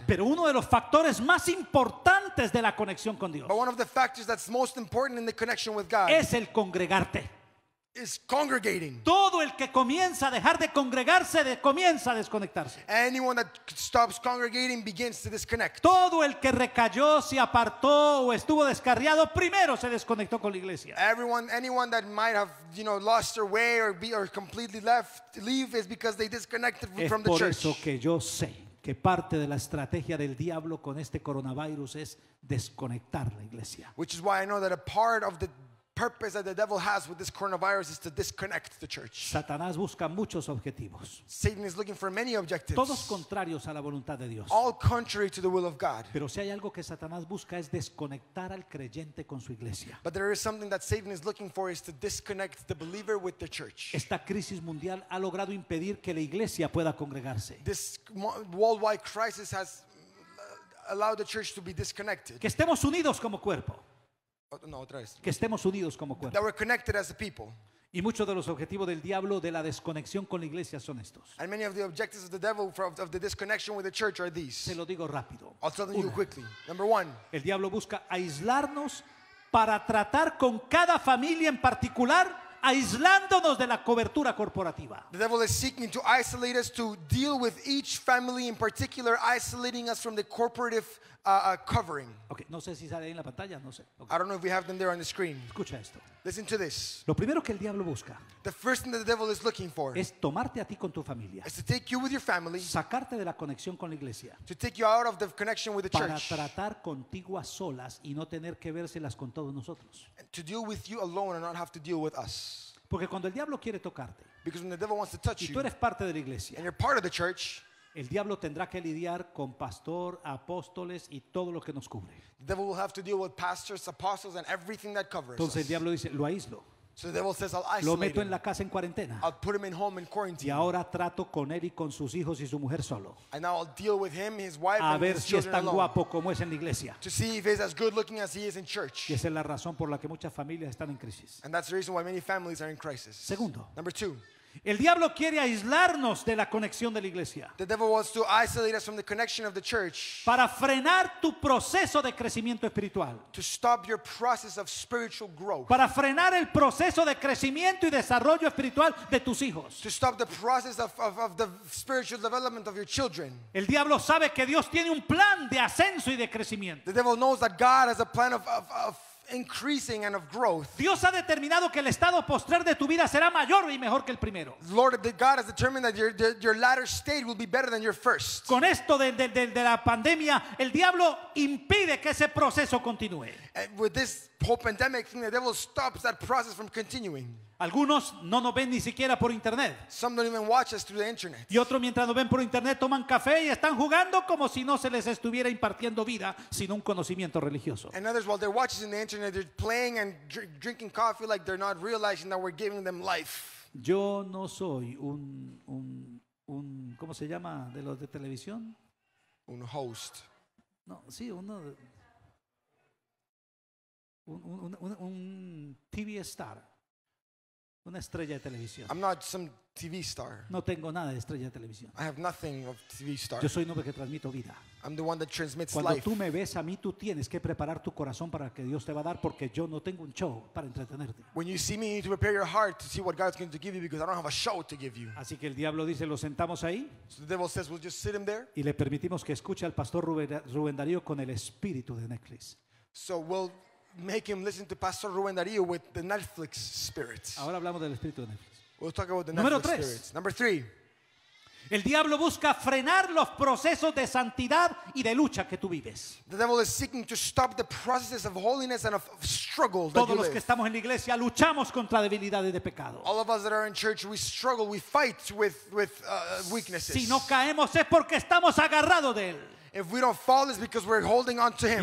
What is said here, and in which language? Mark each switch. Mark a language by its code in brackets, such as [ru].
[es] Pero uno de los factores más importantes de la conexión con Dios. [en] But one of the factors that's most important in the connection with God. [es] Es el congregarte. [en] Is congregating. [es] Todo el que comienza a dejar de congregarse comienza a desconectarse. [en] Anyone that stops congregating begins to disconnect. [es] Todo el que recayó, se apartó o estuvo descarriado primero se desconectó con la iglesia. [en] Anyone that might have, you know, lost their way or completely leave is because they disconnected from the church. [es] Es por eso que yo sé que parte de la estrategia del diablo con este coronavirus es desconectar la iglesia. [en] Which is why I know that a part of the purpose that the devil has with this coronavirus is to disconnect the church. [es] Satanás busca muchos objetivos. [en] Satan is looking for many objectives. [es] Todos contrarios a la voluntad de Dios. [en] All contrary to the will of God. [es] Pero si hay algo que Satanás busca es desconectar al creyente con su iglesia. [en] But there is something that Satan is looking for is to disconnect the believer with the church. [es] Esta crisis mundial ha logrado impedir que la iglesia pueda congregarse. [en] This worldwide crisis has allowed the church to be disconnected. [es] Que estemos unidos como cuerpo. No, otra vez. Que estemos unidos como cuerpo. [en] That we're connected as a people. [es] Y muchos de los objetivos del diablo de la desconexión con la iglesia son estos. [en] And many of the objectives of the devil of the disconnection with the church are these. [es] Se lo digo rápido. [en] I'll tell them you quickly. Number one. [es] El diablo busca aislarnos para tratar con cada familia en particular, aislándonos de la cobertura corporativa. [en] The devil is seeking to isolate us to deal with each family in particular, isolating us from the corporative covering. [es] Okay, no sé si sale ahí en la pantalla, no sé. [en] Okay. I don't know if we have them there on the screen. [es] Escucha esto. [en] Listen to this. [es] Lo primero que el diablo busca. [en] The first thing that the devil is looking for. [es] Es tomarte a ti con tu familia. [en] Is to take you with your family. [es] Sacarte de la conexión con la iglesia. [en] To take you out of the connection with the [es] para [en] church. [es] Para tratar contigo a solas y no tener que vérselas con todos nosotros. [en] And to deal with you alone and not have to deal with us. [es] Porque cuando el diablo quiere tocarte. [en] Because when the devil wants to touch you. [es] Y tú eres parte de la iglesia. [en] And you're part of the church. [es] El diablo tendrá que lidiar con pastor, apóstoles y todo lo que nos cubre. [en] The devil will have to deal with pastors, apostles and everything that covers us. [es] Entonces el diablo dice, lo aíslo. [en] So the devil says, I'll isolate him. [es] Lo meto en la casa en cuarentena. [en] I'll put him in home in quarantine. [es] Y ahora trato con él y con sus hijos y su mujer solo. [en] And now I'll deal with him, his wife a and his si children alone. [es] A ver si es tan guapo como es en la iglesia. [en] To see if he's as good looking as he is in church. [es] Y esa es la razón por la que muchas familias están en crisis. [en] And that's the reason why many families are in crisis. [es] Segundo. [en] Number two. [es] El diablo quiere aislarnos de la conexión de la iglesia. [en] The devil wants to isolate us from the connection of the church. [es] Para frenar tu proceso de crecimiento espiritual. [en] To stop your process of spiritual growth. [es] Para frenar el proceso de crecimiento y desarrollo espiritual de tus hijos. [en] To stop the process of the spiritual development of your children. [es] El diablo sabe que Dios tiene un plan de ascenso y de crecimiento. [en] The devil knows that God has a plan of increasing and of growth. [es] Dios ha determinado que el estado postrer de tu vida será mayor y mejor que el primero. [en] Lord, God has determined that your latter state will be better than your first. [es] Con esto de la pandemia, el diablo impide que ese proceso continúe. [en] With this whole pandemic thing, the devil stops that process from continuing. [es] Algunos no nos ven ni siquiera por internet. [en] Some don't even watch us through the internet. [es] Y otros mientras nos ven por internet toman café y están jugando como si no se les estuviera impartiendo vida, sino un conocimiento religioso. [en] And others while they're watching the internet, they're playing and drinking coffee like they're not realizing that we're giving them life. [es] Yo no soy un ¿cómo se llama de los de televisión? Un host. No, sí, uno. Un TV star. Una estrella de televisión. [en] I'm not some TV star. [es] No tengo nada de estrella de televisión. [en] I have nothing of TV star. [es] Yo soy un hombre que transmito vida. [en] I'm the one that transmits [es] Cuando [en] life. [es] Tú me ves a mí, tú tienes que preparar tu corazón para que Dios te va a dar, porque yo no tengo un show para entretenerte. [en] When you see me, you need to prepare your heart to see what God's going to give you, because I don't have a show to give you. [es] Así que el diablo dice, lo sentamos ahí. [en] So the devil says, we'll just sit him there. [es] Y le permitimos que escuche al pastor Rubén Darío con el espíritu de Netflix. [en] So we'll make him listen to Pastor Rubén Darío with the Netflix spirit. [es] Ahora hablamos del espíritu de Netflix. [en] We'll talk about the Netflix spirit. Number three. [es] El diablo busca frenar los procesos de santidad y de lucha que tú vives. [en] The devil is seeking to stop the processes of holiness and of struggle that you live. [es] Todos los que estamos en la iglesia luchamos contra debilidades de pecado. [en] All of us that are in church, we struggle, we fight with weaknesses. [es] Si no caemos es porque estamos agarrados de él. [en] If we don't fall, it's because we're holding on to him.